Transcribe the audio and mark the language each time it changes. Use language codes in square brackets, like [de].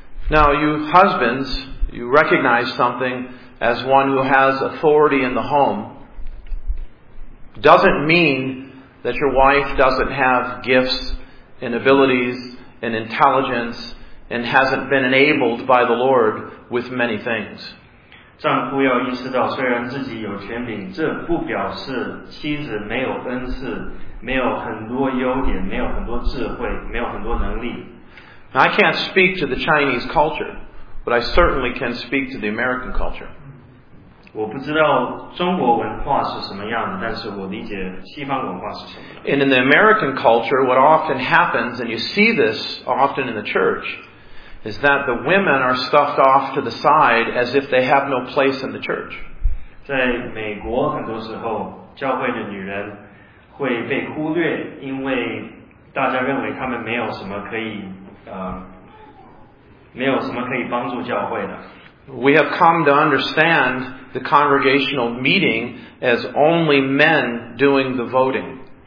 [en] Now, you husbands, you recognize something as one who has authority in the home doesn't mean that your wife doesn't have gifts and abilities and intelligence and hasn't been enabled by the Lord with many things. [zh] 丈夫要意识到，虽然自己有权柄，这不表示妻子没有恩赐，没有很多优点，没有很多智慧，没有很多能力。 [en] Now, I can't speak to the Chinese culture, but I certainly can speak to the American culture. [zh] 我不知道中国文化是什么样的，但是我理解西方文化是什么样的。 [en] And in the American culture, what often happens, and you see this often in the church, is that the women are stuffed off to the side as if they have no place in the church. [zh] 在美国很多时候，教会的女人会被忽略，因为大家认为她们没有什么可以没有什么可以帮助教会的。 [en] We have come to understand the congregational meeting as only men doing the voting.